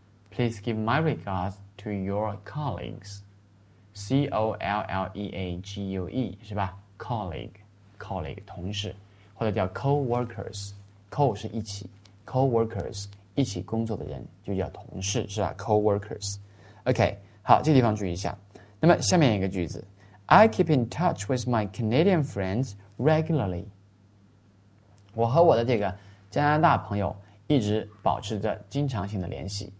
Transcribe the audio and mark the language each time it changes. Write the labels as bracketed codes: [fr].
[en] Please give my regards to your colleagues. C-O-L-L-E-A-G-U-E, [zh] 是吧 [en] ?colleague, 同事。 [zh] 或者叫 co-workers, co 是一起 ,co-workers, 一起工作的人就叫同事是吧 ,co-workers。 OK, 好这个地方注意一下。那么下面一个句子。 [en] I keep in touch with my Canadian friends regularly. [zh] 我和我的这个加拿大朋友一直保持着经常性的联系。